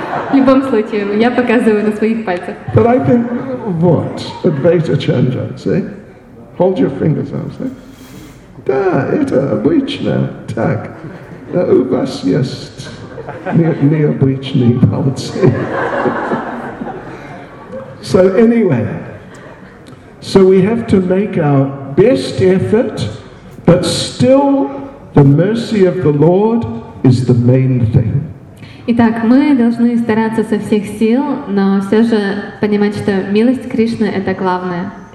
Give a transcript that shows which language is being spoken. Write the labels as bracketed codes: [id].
[ru] В любом случае, я показываю на своих пальцах. [en] But I think, what? Advaita Chandra, see? Hold your fingers up, see? [ru] Да, это обычно, так. У вас есть необычные пальцы. [en] So anyway, so we have to make our best effort, but still the mercy of the Lord is the main thing. [ru] Итак, мы должны стараться со всех сил, но все же понимать, что милость Кришны — это главное.